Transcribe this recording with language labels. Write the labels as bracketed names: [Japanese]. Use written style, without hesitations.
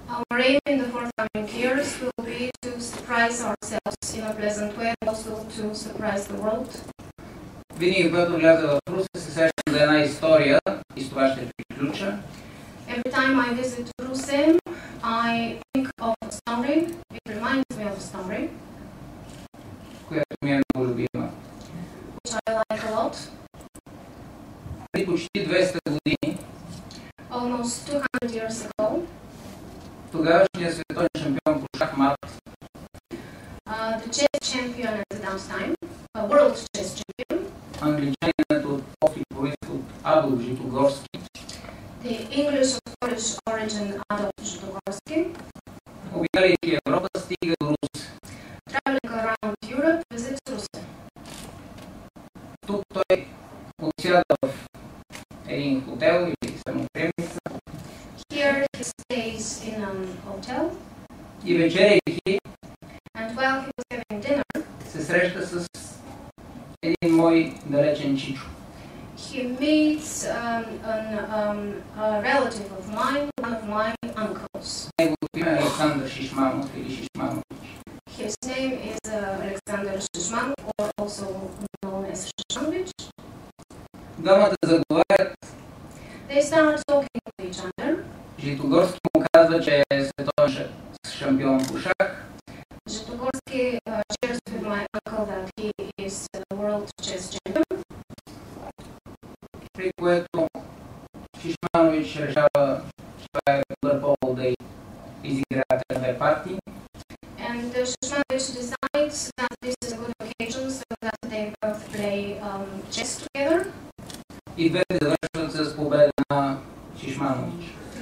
[English] Our aim in the forthcoming years will be to surprise ourselves in a pleasant way and also to surprise the world. [Bulgarian] Винаги, когато вляза в Русе, се срещам за една история и с това ще приключа. [English] Every time I visit Ruse, I think of a story. It reminds me of a story. [Bulgarian] Която ми е много любима. [English] Which I like a lot. [Bulgarian] Преди почти 200 години [English] almost 200 years ago. [Bulgarian] Тогавашният световен шампион по шахмат. [English] The chess champion at that time, a world chess champion. [Bulgarian] Англичанинът от Пофиг Борис от Адолф Житогорски. [English] The English of Polish origin Adolf Житогорски. [Bulgarian] Обикаляйки Европа, стига до Русе. [English] Traveling around Europe, visits Русе. [Bulgarian] Тук той отсяда в един хотел или самоприемница. [English] Here he stays in an hotel. [Bulgarian] И вечеряйки. [English] And while he was having dinner. [Bulgarian] Се среща с един мой далечен чичо. [English] He meets a relative of mine, one of my uncles. [Bulgarian] Неговото име е Александър Шишманов или Шишманович. [English] His name is Александър Шишманов, or also known as Шишманович. [Bulgarian] Двамата заговарят. [English] They start talking with each other. [Bulgarian] Житогорски му казва, че е световен шампион по шах. [English] Житогорски shares with my uncle that he is a world chess champion. [Bulgarian] При което Шишманович решава, че това е добър повод да изиграе две партии. [English] And Шишманович decides that this is a good occasion so that they both play chess together. [Bulgarian] И двете завършват с победа на Шишманович.